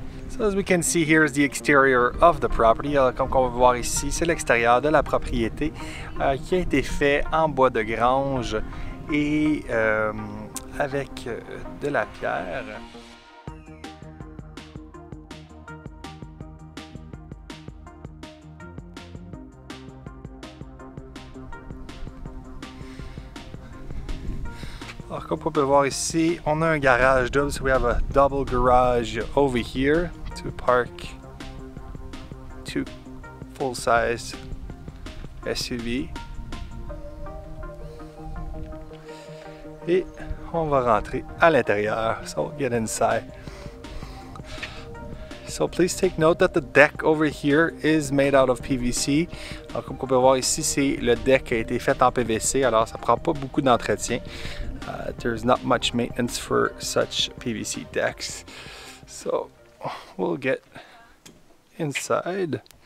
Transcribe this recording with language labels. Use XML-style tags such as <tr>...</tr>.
<en>So as we can see here is the exterior of the property.</en> <fr>Comme on va voir ici, c'est l'extérieur de la propriété qui a été fait en bois de grange et avec de la pierre. Alors, comme vous pouvez voir ici, on a un garage double.</fr> <en>So we have a double garage over here to park two full-size SUV.</en> <fr>Et on va rentrer à l'intérieur.</fr> <en>So get inside. So please take note that the deck over here is made out of PVC.</en> <fr>Alors, comme vous pouvez voir ici, c'est le deck qui a été fait en PVC. Alors ça prend pas beaucoup d'entretien.</fr> <en>There's not much maintenance for such PVC decks. So we'll get inside.</en>